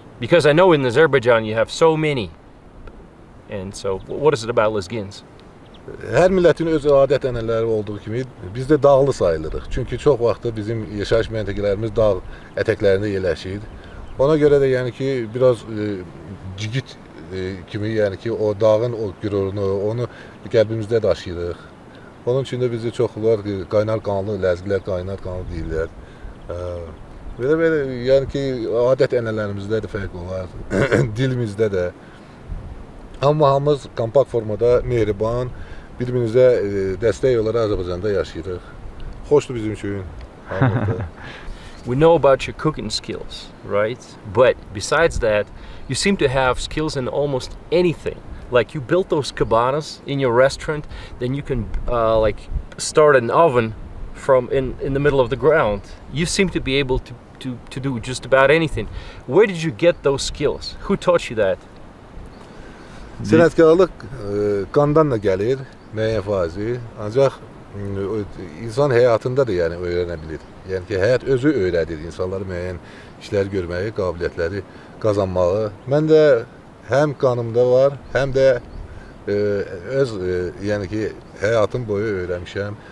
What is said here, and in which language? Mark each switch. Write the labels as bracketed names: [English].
[English] Because I know in Azerbaijan you have so many. And so, what is it about Elazgins? [Azerbaijani] Hər millətin öz adət-ənənələri olduğu kimi biz də dağlı sayılırıq. Çünki çox vaxt da bizim yaşayış məntəqələrimiz dağ ətəklərində yerləşir. Ona görə də yəni ki biraz cigit kimi yəni ki o dağın o qürurunu onu qəlbimizdə daşıyırıq. Onun üçün də bizi çoxlar qaynar qanlı, ləzgilər qaynar qanlı deyirlər. Belə-belə yəni ki adət-ənənələrimizdə də fərq olar. Dilimizdə də Amma hamımız kompakt formada, mehriban, bir-birimizə dəstək olaraq Azərbaycanda yaşayırıq. Xoşdur bizim üçün. [English] We know about your cooking skills, right? But besides that, you seem to have skills in almost anything. Like you built those cabanas in your restaurant, then you can like start an oven from in the middle of the ground. You seem to be able to do just about anything. Where did you get those skills? Who taught you that? [Azerbaijani] Sənətkarlıq qandan da gəlir müəyyən fazi, ancaq insan həyatında da yəni öyrənə bilir. Yəni ki, həyat özü öyrədir insanları müəyyən işlər görməyi, qabiliyyətləri qazanmağı. Mən də həm qanımda var, həm də öz yəni ki, həyatım boyu öyrənmişəm.